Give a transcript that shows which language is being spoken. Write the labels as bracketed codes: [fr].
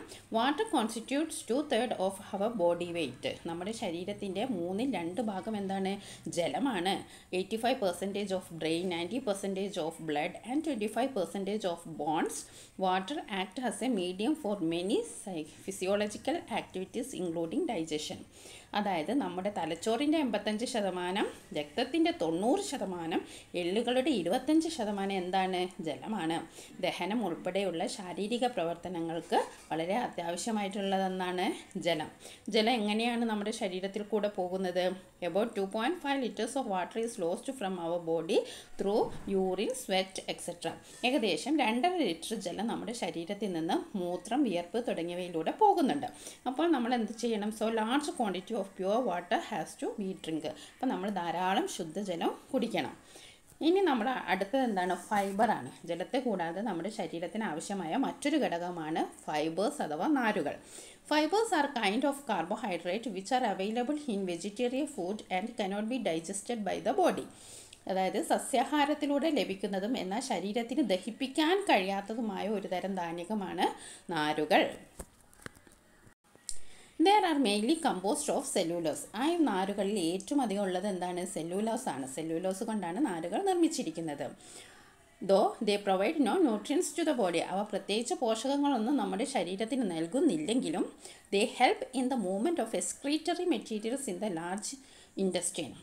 [en] Water constitutes 2/3 of our body weight. [ml] Namada sharira tinde mooni lantu bakam and dane jelamana. [en] 85% of brain, 90% of blood, and 25% of bones. Water act as a medium for many physiological activities, including digestion. [ml] അതായത് നമ്മുടെ തലച്ചോറിൻ്റെ 85%, രക്തത്തിൻ്റെ 90%, എല്ലുകളുടെ 25% എന്താണ്? ജലമാണ്. ദഹനം ഉൾപ്പെടെയുള്ള ശാരീരിക പ്രവർത്തനങ്ങൾക്ക് വളരെ അത്യാവശ്യമായിട്ടുള്ളതെന്നാണ് ജലം. ജലം എങ്ങനെയാണ് നമ്മുടെ ശരീരത്തിൽ കൂടെ പോകുന്നത്? [en] About 2.5 liters of water is lost from our body through urine, sweat, etc. [ml] ഏകദേശം 2.5 ലിറ്റർ ജലം നമ്മുടെ ശരീരത്തിൽ നിന്ന് മൂത്രം, വിയർപ്പ് തുടങ്ങിയവയിലൂടെ പോകുന്നുണ്ട്. അപ്പോൾ നമ്മൾ എന്ത് ചെയ്യണം? [en] So large quantity of pure water has to be drink. [ml] അപ്പോൾ നമ്മൾ ധാരാളം ശുദ്ധജലം കുടിക്കണം. ഇനി നമ്മുടെ അടുത്തത് എന്താണ്? ഫൈബർ ആണ്. ജലത്തെ കൂടാതെ നമ്മുടെ ശരീരത്തിന് ആവശ്യമായ മറ്റൊരു ഘടകമാണ് ഫൈബേഴ്സ് അഥവാ നാരുകൾ. [en] Fibers are kind of carbohydrate which are available in vegetarian food and cannot be digested by the body. [ml] അതായത് സസ്യാഹാരത്തിലൂടെ ലഭിക്കുന്നതും എന്നാൽ ശരീരത്തിന് ദഹിപ്പിക്കാൻ കഴിയാത്തതുമായ ഒരു തരം ധാന്യമാണ് നാരുകൾ. [en] There are mainly composed of cellulose. [ml] ആ നാരുകളിൽ ഏറ്റവും അധികം ഉള്ളത് എന്താണ്? സെല്ലുലോസ് ആണ്. സെല്ലുലോസ് കൊണ്ടാണ് നാരുകൾ നിർമ്മിച്ചിരിക്കുന്നത്. [en] Though they provide no nutrients to the body. [ml] അവ പ്രത്യേകിച്ച് പോഷകങ്ങളൊന്നും നമ്മുടെ ശരീരത്തിന് നൽകുന്നില്ലെങ്കിലും [en] They help in the movement of excretory materials in the large intestine.